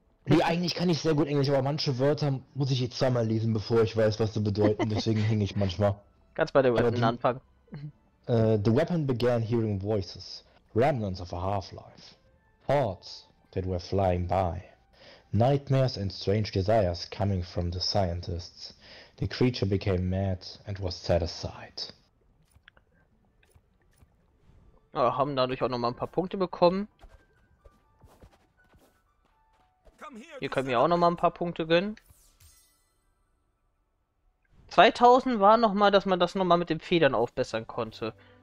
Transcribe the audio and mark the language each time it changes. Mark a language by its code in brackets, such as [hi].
[de] Nee, eigentlich kann ich sehr gut Englisch, aber manche Wörter muss ich jetzt zweimal lesen, bevor ich weiß, was sie bedeuten. Deswegen hänge ich manchmal. Ganz bei der Weapon anfangen. [en] The weapon began hearing voices, remnants of a half-life, thoughts that were flying by, nightmares and strange desires coming from the scientists. The creature became mad and was set aside. [de] Ja, haben dadurch auch nochmal ein paar Punkte bekommen. Hier können wir auch nochmal ein paar Punkte gönnen. 2000 war nochmal, dass man das nochmal mit den Federn aufbessern konnte.